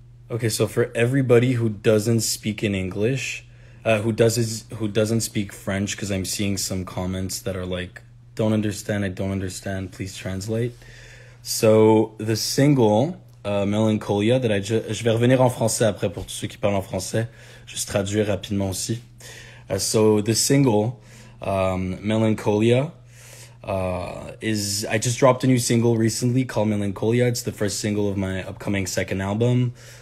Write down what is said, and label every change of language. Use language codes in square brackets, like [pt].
[en] Okay, so for everybody who doesn't speak in English, who doesn't speak French, because I'm seeing some comments that are like, "Don't understand, I don't understand, please translate." So the single, Melancholia, that I just, [fr] je vais revenir en français après pour tous ceux qui parlent en français, juste traduire rapidement aussi. [en] So the single, Melancholia, is I just dropped a new single recently called Melancholia. It's the first single of my upcoming second album.